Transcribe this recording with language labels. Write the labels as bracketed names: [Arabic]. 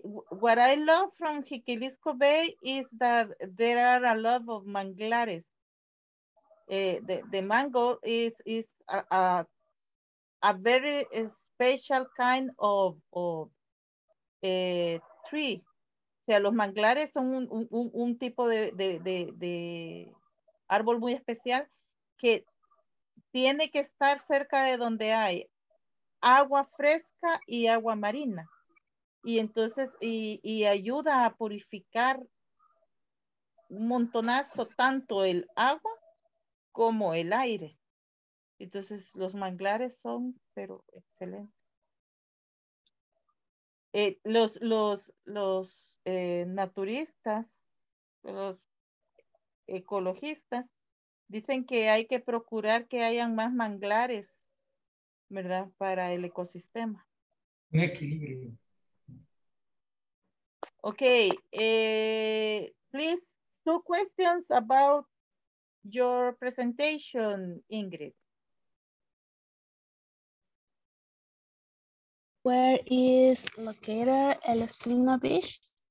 [English] What I love from Jiquilisco Bay is that there are a lot of manglares. The mango is a very special kind of tree. [Spanish] O sea, los manglares son un tipo de árbol muy especial que tiene que estar cerca de donde hay agua fresca y agua marina. Y entonces, y ayuda a purificar un montonazo tanto el agua como el aire. Entonces, los manglares son, pero excelentes. Los naturistas, los ecologistas, dicen que hay que procurar que hayan más manglares, ¿verdad? Para el ecosistema. Un equilibrio. [English] Okay, please, two questions about your presentation, Ingrid. Where is located El Espino Beach?